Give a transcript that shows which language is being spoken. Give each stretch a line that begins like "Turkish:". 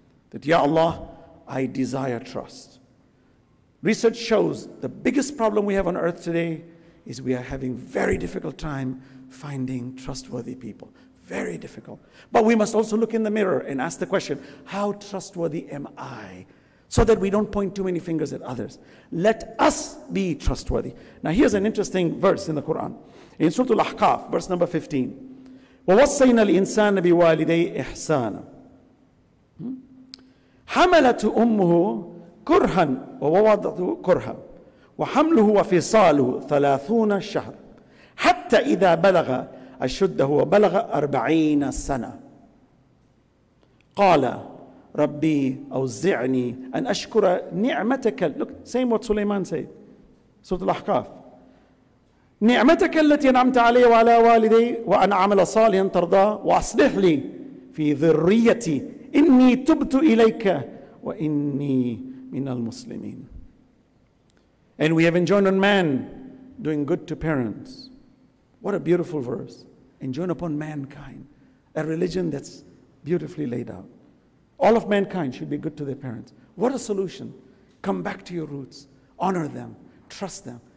English: That Ya Allah, I desire trust. Research shows the biggest problem we have on earth today is we are having very difficult time finding trustworthy people. Very difficult. But we must also look in the mirror and ask the question, how trustworthy am I? So that we don't point too many fingers at others. Let us be trustworthy. Now here's an interesting verse in the Quran. In Surah Al-Ahqaf, verse number 15.
Arabic: وَوَصَّيْنَا الْإِنسَانَ بِوَالِدَيْ إِحْسَانًا حَمَلَتُ أُمُّهُ كُرْهًا وَوَضَعَتْهُ كُرْهًا وَحَمْلُهُ وَفِصَالُهُ 30 شَهْرًا حَتَّى إِذَا بَلَغَ أَشُدَّهُ وَبَلَغَ 40 سَنَةً قَالَ رَبِّي أَوْزِعْنِي أَنْ أَشْكُرَ نِعْمَتَكَ
English: Look, same what Sulaiman said. Surah Al-Ahqaf.
Arabic: نعمتك التي نعمت علي وعلى والدي وأنا عمل صالحا ترضى وأصلح لي في ذريتي إني تبت إليك وإني من المسلمين.
English: And we have enjoined on man doing good to parents. What a beautiful verse. Enjoined upon mankind. A religion that's beautifully laid out. All of mankind should be good to their parents. What a solution. Come back to your roots. Honor them. Trust them.